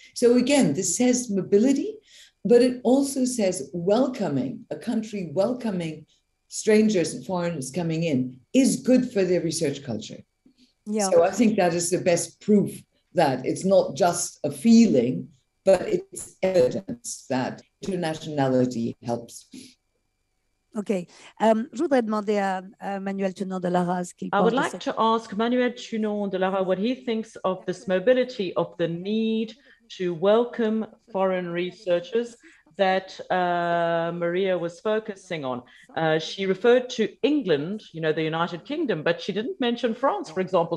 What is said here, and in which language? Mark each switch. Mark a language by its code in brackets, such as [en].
[en] So again, this says mobility, but it also says welcoming, a country welcoming strangers and foreigners coming in is good for their research culture. Yeah. So I think that is the best proof that it's not just a feeling, but it's evidence that internationality helps. Okay. [fr] Je voudrais demander à Manuel Tunon de Lara ce qu'il pense. [en] I would like to ask Manuel Tunon de Lara what he thinks of this mobility, of the need to welcome foreign researchers that Maria was focusing on. She referred to England, the United Kingdom, but she didn't mention France, for example.